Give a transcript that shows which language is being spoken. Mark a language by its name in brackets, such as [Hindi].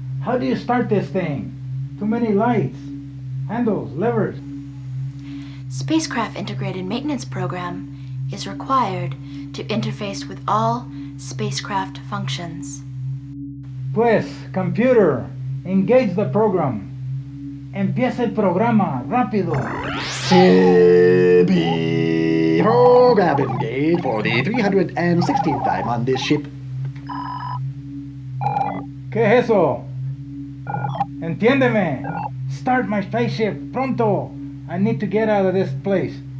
[English] How do you start this thing? Too many lights, handles, levers. Spacecraft Integrated Maintenance Program is required to interface with all spacecraft functions. Pues, computer, engage the program. [Spanish] Empieza el programa, rápido. [English] SIMPEE program engage for the 316th time on this ship. [Spanish] ¿Qué es eso? Entiéndeme! [English] Start my spaceship, [Spanish] pronto! [English] I need to get out of this place.